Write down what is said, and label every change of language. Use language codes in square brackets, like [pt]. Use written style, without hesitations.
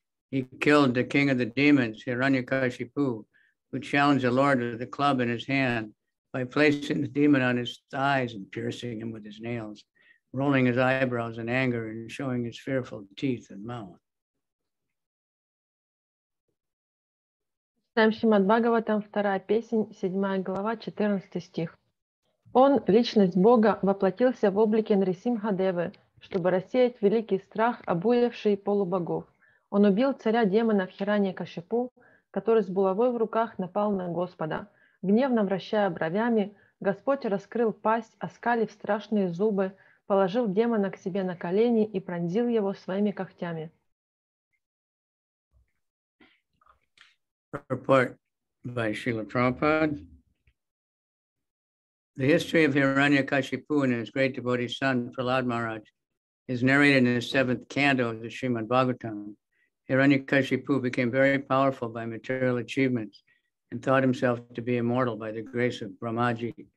[en] He killed the king of the demons, Hiranyakashipu, who challenged the Lord with a club in his hand by placing the demon on his thighs and piercing him with his nails, rolling his eyebrows in anger and showing his fearful teeth and mouth. [ru] Шримад Бхагаватам, вторая песнь, седьмая глава, 14 стих. Он, личность Бога, воплотился в облике Нрисимхадевы, чтобы рассеять великий страх, обуявший полубогов. Он убил царя демонов Хираньякашипу, который с булавой в руках напал на Господа. Гневно вращая бровями, Господь раскрыл пасть, оскалив страшные зубы, положил демона к себе на колени и пронзил его своими когтями. [en] Report by Srila Prabhupada. The history of Hiranyakashipu and his great devotee son, Prahlad Maharaj, is narrated in the seventh canto of the Srimad Bhagavatam. Hiranyakashipu became very powerful by material achievements and thought himself to be immortal by the grace of Brahmaji.